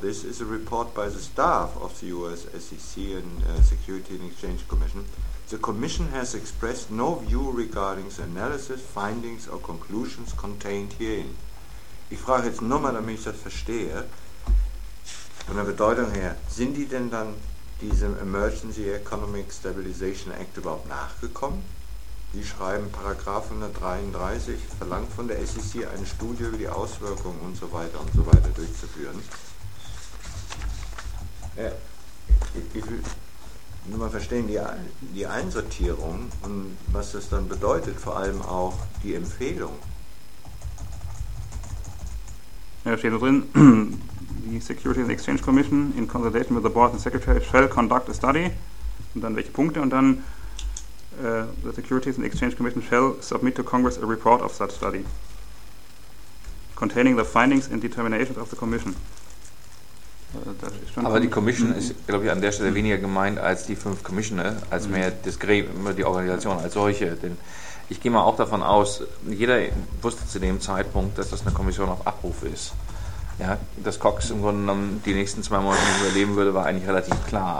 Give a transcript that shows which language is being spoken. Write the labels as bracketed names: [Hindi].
[English] This is a report by the staff of the US SEC and Security and Exchange Commission. The Commission has expressed no view regarding the analysis, findings or conclusions contained herein. [German] Ich frage jetzt nur mal, damit ich das verstehe. Von der Bedeutung her, sind die denn dann diesem Emergency Economic Stabilization Act überhaupt nachgekommen? Die schreiben Paragraph 133, verlangt von der SEC eine Studie über die Auswirkungen und so weiter durchzuführen. Ich will nur mal verstehen, die Einsortierung und was das dann bedeutet, vor allem auch die Empfehlung. Ja, steht da drin. [English] Die Securities and Exchange Commission in consultation with the Board and Secretary shall conduct a study. [German] Und dann welche Punkte? Und dann [English] the Securities and Exchange Commission shall submit to Congress a report of such study containing the findings and determinations of the Commission. [German] Das ist schon. Aber die Commission ist, glaube ich, an der Stelle weniger gemeint als die fünf Commissioner, als mehr das Gremium, die Organisation als solche. Denn ich gehe mal auch davon aus, jeder wusste zu dem Zeitpunkt, dass das eine Kommission auf Abruf ist. Ja, dass Cox im Grunde genommen die nächsten zwei Monate nicht überleben würde, war eigentlich relativ klar.